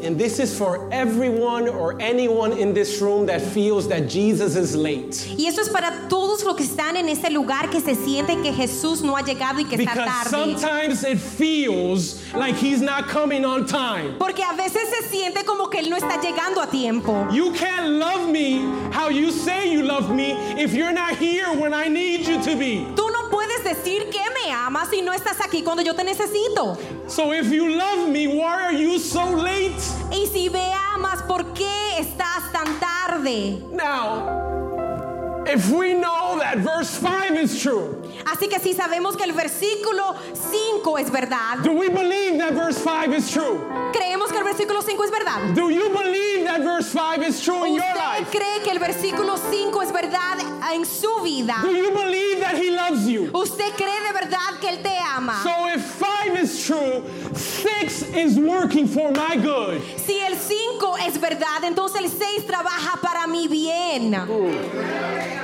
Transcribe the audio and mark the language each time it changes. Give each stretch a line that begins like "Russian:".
English: And this is for everyone or anyone in this room that feels that Jesus is late.
Spanish: Y esto es para todos los que están en este lugar que se sienten que Jesús no ha llegado y que está tarde.
English: Because sometimes it feels like he's not coming on time.
Spanish: Porque a veces se siente como que él no está llegando a tiempo.
English: You can't love me how you say you love me if you're not here when I need you to be.
Spanish: Tú no puedes decir que me amas si no estás aquí cuando yo te necesito.
English: So if you love me, why are you so late?
Spanish: Y si me amas, ¿por qué estás tan tarde?
English: Now, if we know that verse 5 is true,
Spanish: así que si sabemos que el versículo 5 es verdad,
English: do we believe that verse 5 is true?
Spanish: ¿Creemos que el versículo 5 es verdad?
English: Do you believe that verse 5 is true in your life?
Spanish: ¿Usted cree que el versículo 5 es verdad en su vida?
English: Do you believe that he loves you?
Spanish: ¿Usted cree de verdad que él te ama?
English: So if 5 is true, 6 is working for my good.
Spanish: Si el 5 es verdad, entonces el 6 trabaja para mi bien.